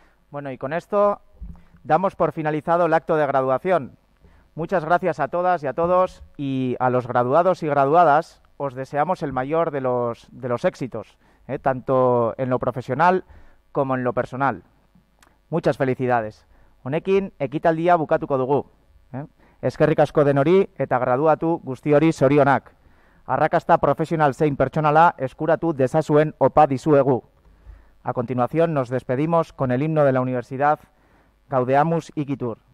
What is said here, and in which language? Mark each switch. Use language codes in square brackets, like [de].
[es] Bueno, y con esto damos por finalizado el acto de graduación. Muchas gracias a todas y a todos, y a los graduados y graduadas os deseamos el mayor de los éxitos, tanto en lo profesional como en lo personal. Muchas felicidades. [eu] Honekin, ekitaldia bukatuko dugu. Eskerrik asko denori eta graduatu guztiori zorionak. Arrakasta profesional zein pertsonala eskuratu dezazuen opa dizuegu. [es] A continuación nos despedimos con el himno de la universidad, Gaudeamus Igitur.